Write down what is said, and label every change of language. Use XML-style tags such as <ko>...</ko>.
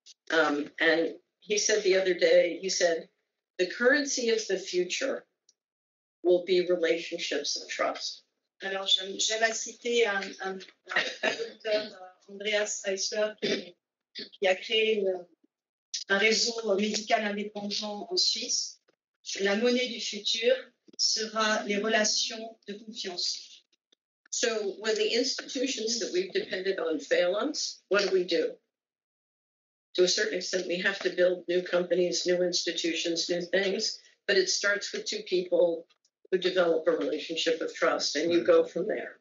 <en>And he said the other day, he said, the currency of the future will be relationships of trust.</en> <fr>Alors, j'aime à citer un docteur, Andreas Eisler, qui a créé un réseau médical indépendant en Suisse. La monnaie du futur sera les relations de confiance.</fr> <en>So when the institutions that we've depended on fail us, what do we do? To a certain extent, we have to build new companies, new institutions, new things. But it starts with two people who develop a relationship of trust, and you go from there.</en>